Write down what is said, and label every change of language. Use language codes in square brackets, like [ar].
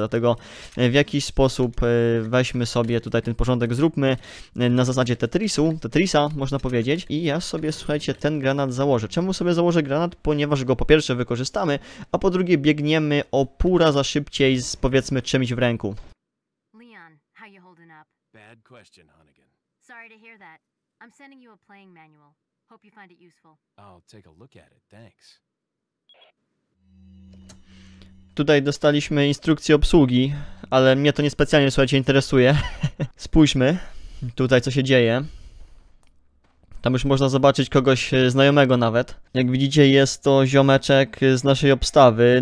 [pl] Dlatego w jakiś sposób weźmy sobie tutaj ten porządek, zróbmy na zasadzie Tetrisu, Tetrisa, można powiedzieć. I ja sobie, słuchajcie, ten granat założę. Czemu sobie założę granat? Ponieważ go po pierwsze wykorzystamy, a po drugie biegniemy o pół raza szybciej z, powiedzmy, czymś w ręku. [en] Leon, how you holding up? Bad question, Hannigan. Sorry to hear that. I'm sending you a playing manual. Hope you find it useful. I'll take a look at it, thanks. [pl] Tutaj dostaliśmy instrukcję obsługi, ale mnie to niespecjalnie, słuchajcie, interesuje. Spójrzmy tutaj, co się dzieje. Tam już można zobaczyć kogoś znajomego nawet. Jak widzicie, jest to ziomeczek z naszej obstawy.